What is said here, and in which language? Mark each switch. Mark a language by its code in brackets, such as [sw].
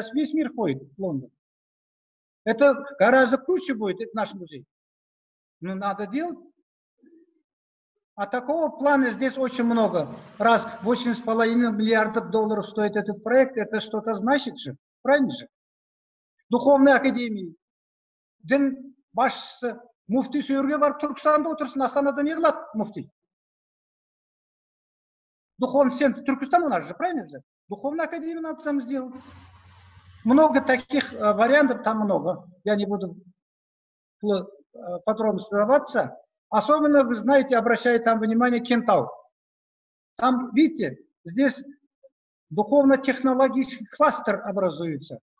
[ru] Сейчас весь мир ходит в Лондон. Это гораздо круче будет, это наш музей. Ну, надо делать. А такого плана здесь очень много. Раз 8,5 миллиардов долларов стоит этот проект, это что-то значит же, правильно же? Духовная академия. [kk] Дин башысы, муфти сүйерге барып, Туркестанда отырсын, Астанада неғылат муфти. [ru] Духовный центр Туркестан у нас же, правильно же? Духовная академия надо там сделать. Много таких вариантов, там много. Я не буду подробно задаваться. Особенно, вы знаете, обращаю там внимание, Кентау. Там, видите, здесь духовно-технологический кластер образуется.